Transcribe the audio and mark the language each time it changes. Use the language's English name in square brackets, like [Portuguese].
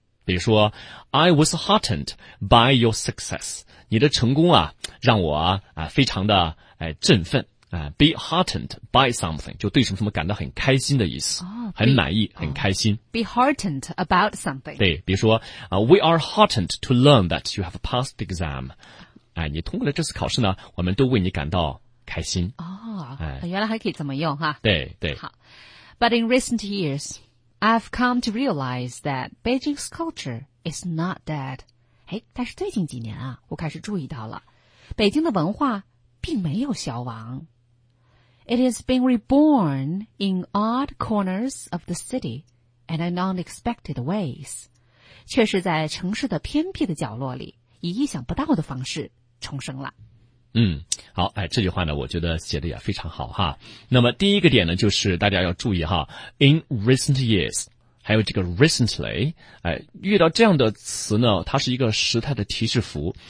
[Chinese] 比如说 ， [English] I was heartened by your success， [Chinese] 你的成功啊，让我啊非常的哎振奋啊 ， [English] be heartened by something [Chinese] 就对什么什么感到很开心的意思，很满意，很开心。 [English] Be heartened about something。 [Chinese] 对，比如说啊 ， [English] We are heartened to learn that you have passed the exam， [Chinese] 哎，你通过了这次考试呢，我们都为你感到开心。哦，原来还可以这么用哈。对。好 [English] ，But in recent years。 I've come to realize that Beijing's culture is not dead. [Chinese] 诶，但是最近几年啊，我开始注意到了，北京的文化并没有消亡。 [English] It has been reborn in odd corners of the city and in unexpected ways. [Chinese] 却是在城市的偏僻的角落里，以意想不到的方式重生了。嗯，好，哎，这句话呢，我觉得写的也非常好哈。那么第一个点呢，就是大家要注意哈 ，in recent years， 还有这个 recently， 哎，遇到这样的词呢，它是一个时态的提示符。